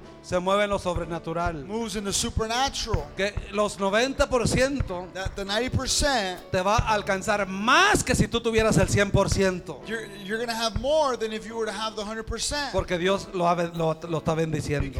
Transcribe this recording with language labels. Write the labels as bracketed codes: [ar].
[es] Se mueve en lo sobrenatural. [en] Moves in the supernatural. [es] Que los 90%. [en] That the 90%. [es] Te va a alcanzar más que si tú tuvieras el 100%. [en] You're going to have more than if you were to have the 100%. [es] Porque Dios lo está bendiciendo.